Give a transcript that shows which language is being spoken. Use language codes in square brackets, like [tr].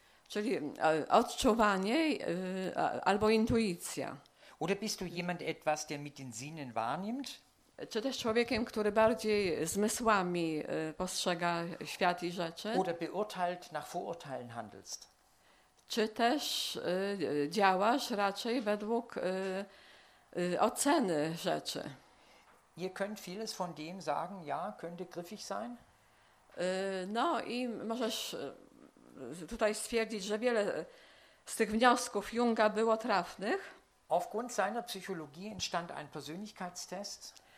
[pl] Czyli odczuwanie albo intuicja. [de] Oder bist du jemand etwas, der mit den Sinnen wahrnimmt? [pl] Czy też człowiekiem, który bardziej zmysłami postrzega świat i rzeczy? [de] Oder beurteilt nach Vorurteilen handelst? [pl] Czy też działasz raczej według oceny rzeczy? [de] Ihr könnt vieles von dem sagen, ja, könnte griffig sein? [pl] No i możesz tutaj stwierdzić, że wiele z tych wniosków Junga było trafnych. [de] Aufgrund seiner Psychologie entstand ein Persönlichkeitstest.